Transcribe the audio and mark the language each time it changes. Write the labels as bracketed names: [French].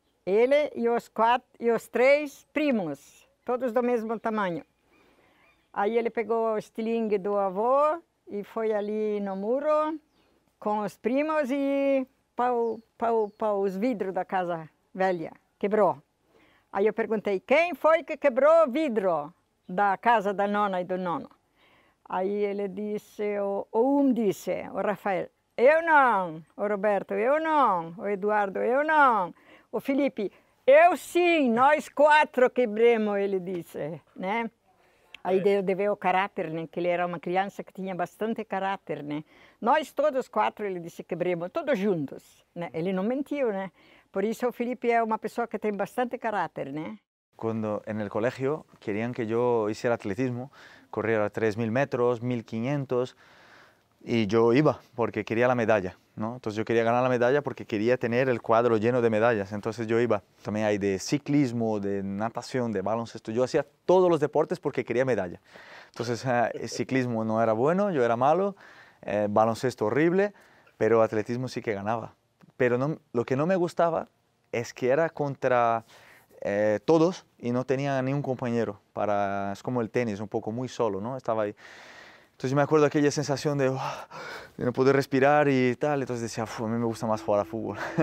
[Spanish] Él y los cuatro, y los tres primos, todos do mismo tamaño. Ahí él pegó el estilingue [Portuguese] do avô [Spanish] y fue allí [Portuguese] no muro, com os primos e para os vidros da casa velha, quebrou. Aí eu perguntei, quem foi que quebrou o vidro da casa da nona e do nono? Aí ele disse, disse, o Rafael, eu não, o Roberto, eu não, o Eduardo, eu não, o Felipe, eu sim, nós quatro quebremos, ele disse, né? Aí deu de ver o caráter, né? Que ele era uma criança que tinha bastante caráter, né? Nós todos quatro, ele disse, quebremos, todos juntos, né? Ele não mentiu, né? Por isso o Felipe é uma pessoa que tem bastante caráter, né? Quando, no colégio, queriam que eu fizesse atletismo, corria 3.000 metros, 1.500, e eu ia, porque queria a medalha, né? Então eu queria ganhar a medalha porque queria ter o quadro lleno de medalhas, então eu ia. Também há de ciclismo, de natação, de baloncesto, eu fazia todos os deportes porque queria medalha. Então ciclismo não era bom, eu era [Spanish] malo, baloncesto horrible, pero atletismo sí que ganaba. Pero no, lo que no me gustaba es que era contra todos y no tenía ni un compañero. Para, es como el tenis, un poco muy solo, ¿no? Estaba ahí. Entonces yo me acuerdo aquella sensación de no poder respirar y tal. Entonces decía, a mí me gusta más jugar a fútbol.